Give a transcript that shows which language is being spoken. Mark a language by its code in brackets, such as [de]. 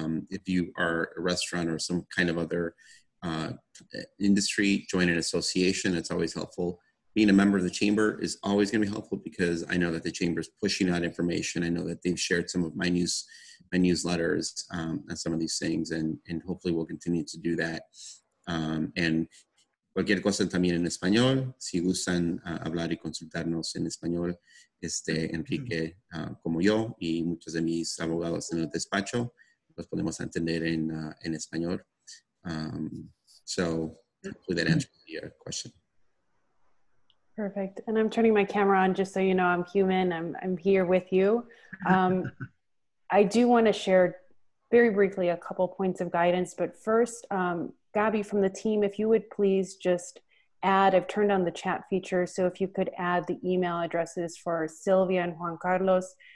[en] If you are a restaurant or some kind of other industry, join an association. It's always helpful. Being a member of the chamber is always going to be helpful, because I know that the chamber is pushing out information. I know that they've shared some of my newsletters and some of these things, and hopefully we'll continue to do that. [es] And cualquier cosa también en español, si gustan hablar y consultarnos en español, Enrique, como yo y muchos de mis abogados en el despacho, los podemos entender en español. [en] So hopefully that answers your question. Perfect. And I'm turning my camera on just so you know I'm human. I'm here with you. I do want to share very briefly a couple points of guidance. But first, Gabby from the team, if you would please just add, I've turned on the chat feature, so if you could add the email addresses for Sylvia and Juan Carlos.